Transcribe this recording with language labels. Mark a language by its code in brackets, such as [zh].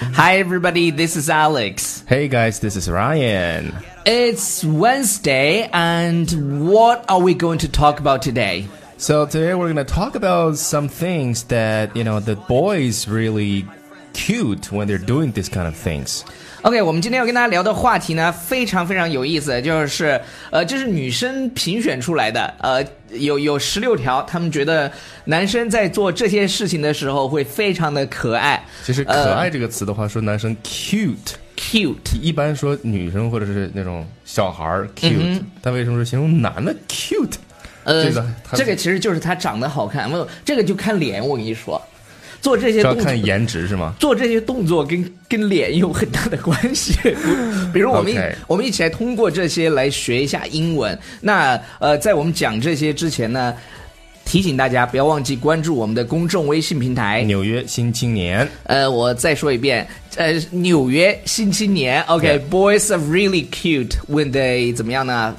[en] Hi, everybody. This is Alex. Hey, guys. This is Ryan. It's Wednesday, and what are we going to talk about today? So today we're going to talk about some things that, you know, the boys really cute when they're doing these kind of things. [zh] OK, 我们今天要跟大家聊的话题呢非常非常有意思，就是这是女生评选出来的，有16条，他们觉得男生在做这些事情的时候会非常的可爱。其实可爱这个词的话，说男生 cute。 Cute，一般说女生或者是那种小孩 cute，但为什么说形容男的 cute？这个其实就是他长得好看，没有这个就看脸。我跟你说，做这些动作要看颜值是吗？做这些动作跟脸有很大的关系。比如我们一起来通过这些来学一下英文。那在我们讲这些之前呢，提醒大家不要忘记关注我们的公众微信平台 《纽约新青年》。我再说一遍，《纽约新青年》。 [en] OK，boys are really cute when they [zh] 怎么样呢